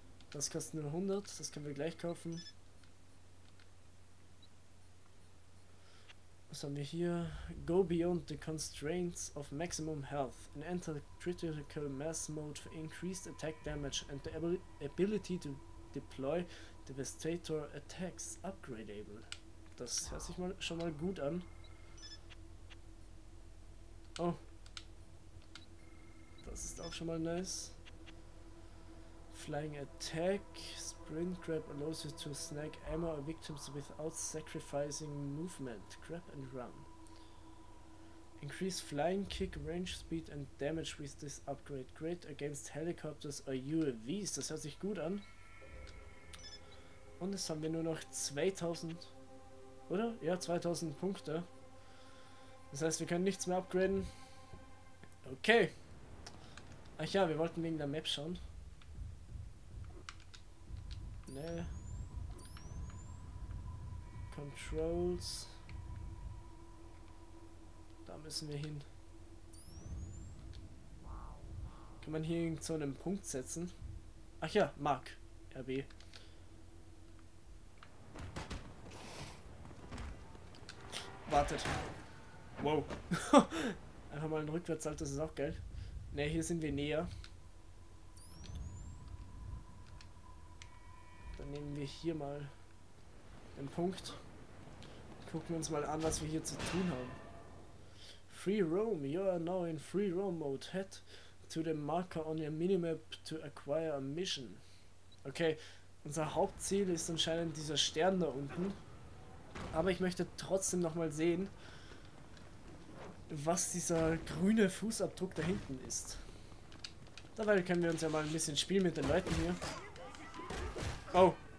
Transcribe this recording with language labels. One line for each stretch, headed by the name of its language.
German: Das kostet nur 100, das können wir gleich kaufen. Was haben wir hier?
English: Go beyond the constraints of maximum health and enter critical mass mode for increased attack damage and the ability to deploy devastator attacks upgradable.
German: Das hört sich mal schon mal gut an. Oh. Das ist auch schon mal nice.
English: Flying attack. Sprint grab allows you to snag ammo or victims without sacrificing movement. Grab and run. Increase flying kick, range speed and damage with this upgrade. Great against helicopters or UAVs.
German: Das hört sich gut an. Und jetzt haben wir nur noch 2000, oder? Ja, 2000 Punkte. Das heißt, wir können nichts mehr upgraden. Okay. Ach ja, wir wollten wegen der Map schauen. Ne.
English: Controls.
German: Da müssen wir hin. Kann man hier irgend so einen Punkt setzen? Ach ja, Mark. RB. Wartet. Wow. Einfach mal ein Rückwärtssalto, das ist auch geil. Ne, hier sind wir näher. Dann nehmen wir hier mal den Punkt. Gucken wir uns mal an, was wir hier zu tun haben.
English: Free roam, you are now in free roam mode. Head to the marker on your minimap to acquire a mission.
German: Okay, unser Hauptziel ist anscheinend dieser Stern da unten. Aber ich möchte trotzdem nochmal sehen, was dieser grüne Fußabdruck da hinten ist. Dabei können wir uns ja mal ein bisschen spielen mit den Leuten hier. Oh.